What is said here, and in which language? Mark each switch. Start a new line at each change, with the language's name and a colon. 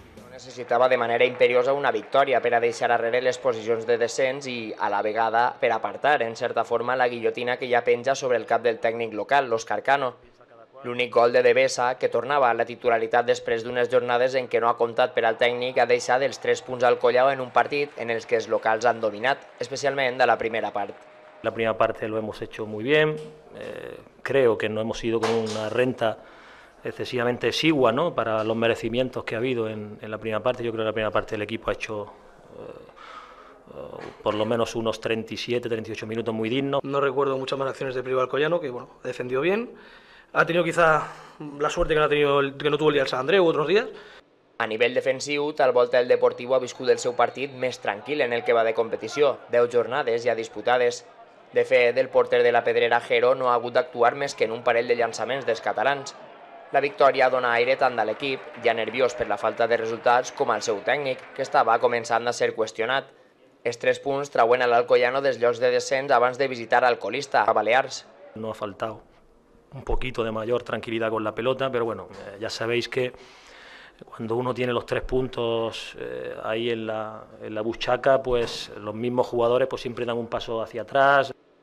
Catalan: Necessitava de manera imperiosa una victòria per a deixar arrere les posicions de descens i, a la vegada, per apartar, en certa forma, la guillotina que ja penja sobre el cap del tècnic local, l'Òscar Cano. L'únic gol de Devesa, que tornava a la titularitat després d'unes jornades en què no ha comptat per al tècnic, ha deixat els 3 punts al Collao en un partit en els que els locals han dominat, especialment de la primera part.
Spanish: La primera part lo hemos hecho muy bien, creo que no hemos ido con una renta excesivamente exigua, ¿no?, para los merecimientos que ha habido en la primera parte. Yo creo que la primera parte del equipo ha hecho por lo menos unos 37, 38 minutos muy dignos. No recuerdo muchas más acciones de Priva Alcoyano, que bueno, defendió bien. Ha tenido quizá la suerte que no, ha tenido, que no tuvo el día del San Andreu u otros días.
Catalan: A nivell defensiu, talvolta el Deportivo ha viscut el seu partit més tranquil en el que va de competició, 10 jornades ja disputades. De fet, el porter de la Pedrera, Jero, no ha hagut d'actuar més que en un parell de llançaments dels catalans. La victòria dona aire tant a l'equip, ja nerviós per la falta de resultats, com al seu tècnic, que estava començant a ser qüestionat. Els 3 punts trauen a l'Alcoyano dels llocs de descens abans de visitar al colista, a Balears.
Spanish: No ha faltat un poquito de mayor tranquilidad con la pelota, pero bueno, ya sabéis que cuando uno tiene los 3 puntos ahí en la buchaca, pues los mismos jugadores pues siempre dan un paso hacia atrás.